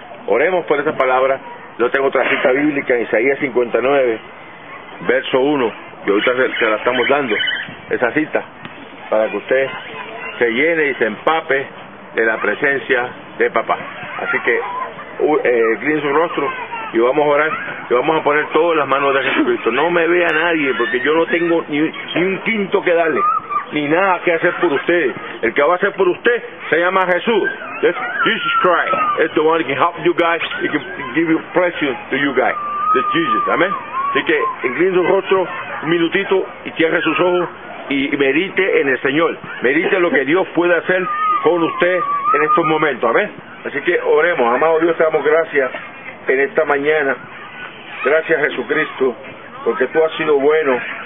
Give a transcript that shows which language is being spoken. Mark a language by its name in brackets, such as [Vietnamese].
[Spanish] Oremos por esa palabra. Yo tengo otra cita bíblica en Isaías 59, verso 1, y ahorita se la estamos dando, esa cita, para que usted se llene y se empape de la presencia de papá. Así que, clean su rostro. Y vamos a orar, y vamos a poner todas las manos de Jesucristo. No me vea nadie, porque yo no tengo ni un quinto que darle, ni nada que hacer por ustedes. El que va a hacer por usted se llama Jesús. [English] That's Jesus Christ. It's the one who can help you guys, he can give you precious to you guys. That's Jesus. Amén. [Spanish] Así que incline su rostro un minutito y cierre sus ojos y medite en el Señor. Medite lo que Dios puede hacer con usted en estos momentos. Amén. Así que oremos. Amado Dios, te damos gracias en esta mañana. Gracias, Jesucristo, porque tú has sido bueno.